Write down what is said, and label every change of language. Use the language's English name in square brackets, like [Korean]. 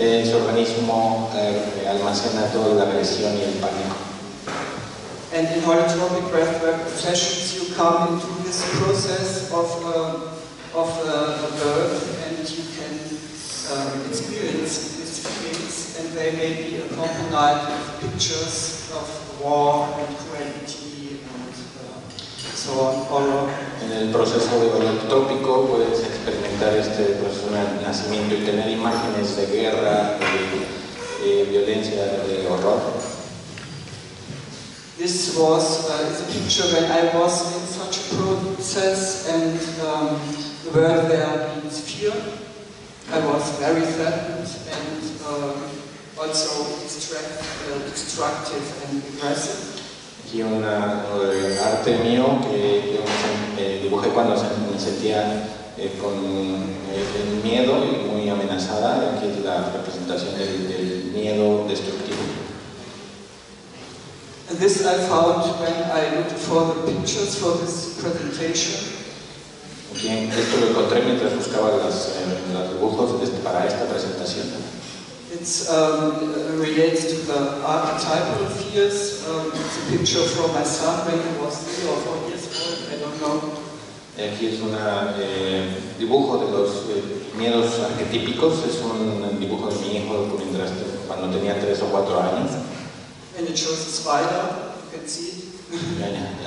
[Spanish] Su organismo almacena toda la agresión y el pánico. [English] And in holotropic breathwork sessions, you come into this process of birth, and you can experience these feelings, and they may be accompanied with pictures of war and cruelty and so on. Horror. [Spanish] En el proceso de holotrópico puedes experimentar este proceso de nacimiento y tener imágenes de guerra, de violencia, de horror. [English] This was the picture when I was in such a process and where there was fear. I was very threatened and also destructive and aggressive. [Spanish] y un arte mío que dibujé cuando me sentía con el miedo muy amenazada, que es la representación del miedo destructivo. [English] And this I found when I looked for the pictures for this presentation. [Spanish] Bien, esto lo encontré mientras buscaba los dibujos para esta presentación. [English] It's relates to the archetypal fears. It's a picture from my son when he was 3 or 4 years old. I don't know. [Spanish] Aquí es un dibujo de los miedos arquetípicos. Es un dibujo de mi hijo cuando tenía 3 o 4 años. [English] And it shows a spider, you can see it.